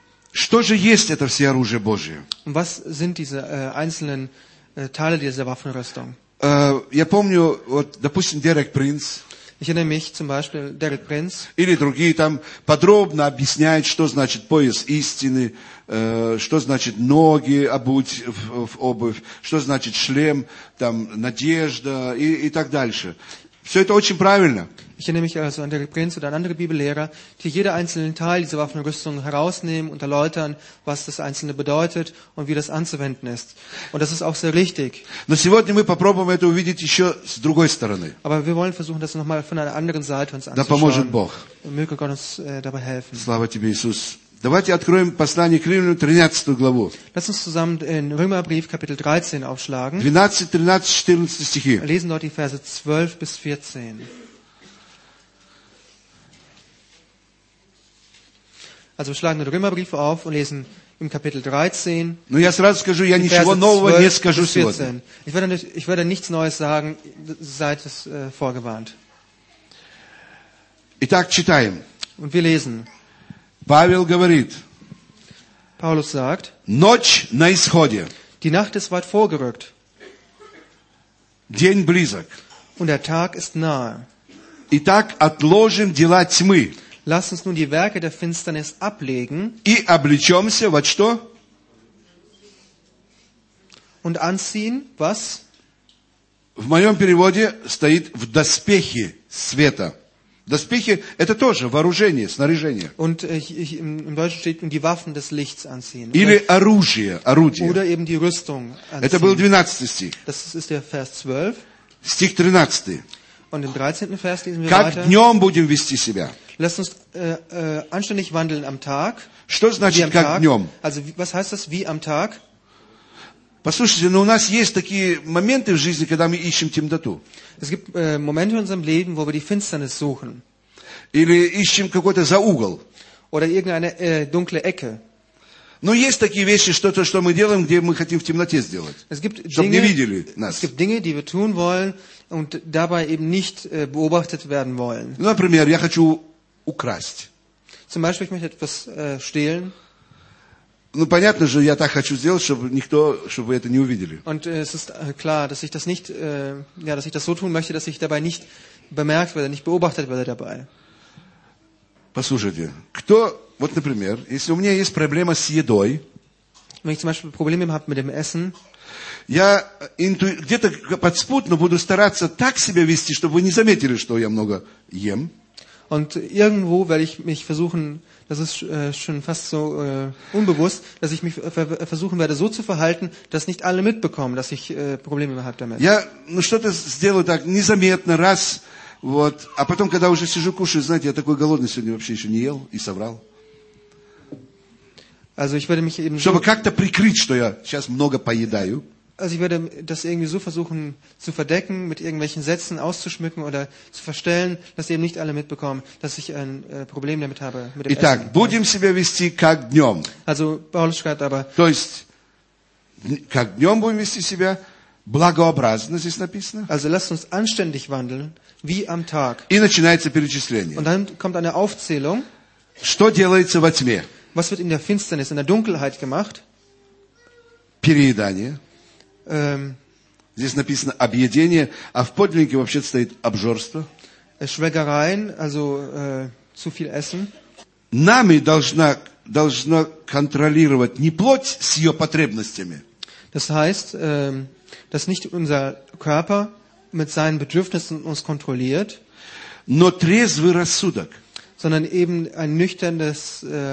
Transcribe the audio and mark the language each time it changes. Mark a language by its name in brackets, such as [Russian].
[Russian] Что же есть это все оружие Божие? [German] Und was sind diese einzelnen Teile dieser Waffenrüstung? [Russian] Я помню, вот, допустим, Дерек Принц. [German] Ich erinnere mich zum Beispiel Дерек Принц. [Russian] Или другие там подробно объясняют, что значит пояс истины, что значит ноги обуть в обувь, что значит шлем, там надежда и так дальше. Все это очень правильно. [German] Ich erinnere mich also an Дерек Принц oder an andere Bibellehrer, die jeden einzelnen Teil dieser Waffenrüstung herausnehmen und erläutern, was das Einzelne bedeutet und wie das anzuwenden ist. Und das ist auch sehr richtig. [Russian] Но сегодня мы попробуем это увидеть еще с другой стороны. [German] Aber wir wollen versuchen, das nochmal von einer anderen Seite uns anzuschauen. [Russian] Da поможет Бог. [German] Und möge Gott uns dabei helfen. [Russian] Слава тебе, Иисус. Давайте откроем послание к Римлянам, 13 главу. [German] Lass uns zusammen in Römerbrief, Kapitel 13 aufschlagen. [Russian] 12, 13, 14 стихи. [German] Lesen dort die Verse 12 bis 14. Also wir schlagen den Römerbrief auf und lesen im Kapitel 13. [Russian] Ну я сразу скажу, я ничего нового не скажу сегодня. [German] Ich werde nichts Neues sagen, seid es vorgewarnt. [Russian] Итак, читаем. [German] Und wir lesen. [Russian] Павел говорит. [German] Paulus sagt. [Russian] Ночь на исходе. [German] Die Nacht ist weit vorgerückt. [Russian] День близок. [German] Und der Tag ist nahe. [Russian] Итак, отложим дела тьмы. [German] Lass uns nun die Werke der Finsternis ablegen. [Russian] И облечемся, вот что? [German] Und anziehen, was? [Russian] В моем переводе стоит в доспехи света. Доспехи – это тоже вооружение, снаряжение. [German] Und im Deutschen steht, die Waffen des Lichts anziehen. [Russian] Или оружие, орудие. [German] Oder eben die Rüstung [Russian] anziehen. Это был 12 стих. [German] Das ist der Vers 12. [Russian] Стих 13. [German] Und im 13. Vers lesen wir [Russian] как [German] weiter. [Russian] Как днем будем вести себя? [German] Lass uns anständig wandeln am Tag. [Russian] Что значит, как днем? [German] Also, was heißt das, wie am Tag? [Russian] Послушайте, но у нас есть такие моменты в жизни, когда мы ищем темноту. [German] Es gibt Momente in unserem Leben, wo wir die Finsternis suchen. [Russian] Или ищем какой-то заугол. [German] Oder irgendeine dunkle Ecke. [Russian] Но есть такие вещи, что-то, что мы делаем, где мы хотим в темноте сделать. [German] Es gibt [Russian] чтобы [German] Dinge, [Russian] не видели нас. [German] Es gibt Dinge, die wir tun wollen und dabei eben nicht beobachtet werden wollen. [Russian] Ну, например, я хочу украсть. [German] Zum Beispiel, ich möchte etwas stehlen. [Russian] Ну, понятно же, я так хочу сделать, чтобы никто, чтобы это не увидели. [German] Und es ist klar, dass ich das nicht, ja, dass ich das so tun möchte, dass ich dabei nicht bemerkt werde, nicht beobachtet werde dabei. [Russian] Послушайте, кто, вот, например, если у меня есть проблема с едой, [German] wenn ich zum Beispiel Probleme habe mit dem Essen, [Russian] я где-то подспудно буду стараться так себя вести, чтобы вы не заметили, что я много ем. [German] Und irgendwo werde ich mich versuchen, das ist schon fast so unbewusst, dass ich mich versuchen werde, so zu verhalten, dass nicht alle mitbekommen, dass ich Probleme habe damit. [Russian] Я, ну что-то сделаю так, незаметно, раз, вот, а потом, когда уже сижу, кушаю, знаете, я такой голодный сегодня вообще еще не ел и соврал. [German] Also ich werde mich eben [Russian] so, чтобы как-то прикрыть, что я сейчас много поедаю. [German] Also ich werde das irgendwie so versuchen zu verdecken, mit irgendwelchen Sätzen auszuschmücken oder zu verstellen, dass eben nicht alle mitbekommen, dass ich ein Problem damit habe, mit dem [Russian] Итак, [German] Essen. [Russian] Будем себя вести как днем. [German] Also Paulus schreibt aber, [Russian] то есть, как днем будем вести себя, благообразно здесь написано. [German] Also lasst uns anständig wandeln, wie am Tag. [Russian] И начинается перечисление. [German] Und dann kommt eine Aufzählung. [Russian] Что делается во тьме? [German] Was wird in der Finsternis, in der Dunkelheit gemacht? [Russian] Переедание. Здесь написано объедение, а в подлиннике вообще стоит обжорство. [German] Schwägereien, also zu viel essen. [Russian] Нами должна контролировать не плоть с ее потребностями. [German] Das heißt, dass nicht unser Körper mit seinen Bedürfnissen uns kontrolliert, [Russian] но трезвый рассудок. [German] Sondern eben ein nüchternes